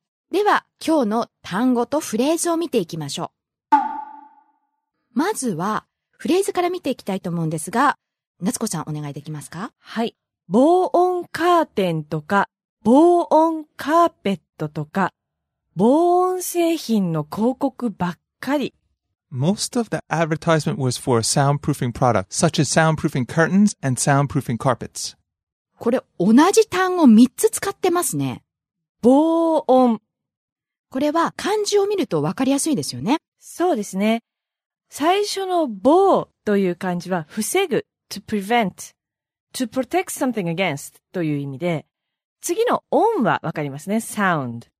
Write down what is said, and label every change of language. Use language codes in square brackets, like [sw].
[ja] では、今日の単語とフレーズを見ていきましょう。まずは、フレーズから見ていきたいと思うんですが、夏子さんお願いできますか？はい。防音カーテンとか、防音カーペットとか、防音製品の広告ばっかり。 [en] Most of the advertisement was for a soundproofing product, such as soundproofing curtains and soundproofing carpets. [ja] これ同じ単語3つ使ってますね。防音。これは漢字を見ると分かりやすいですよね。そうですね。最初の防という漢字は防ぐ、 [en] to prevent, to protect something against [ja] という意味で、次の音は分かりますね。sound。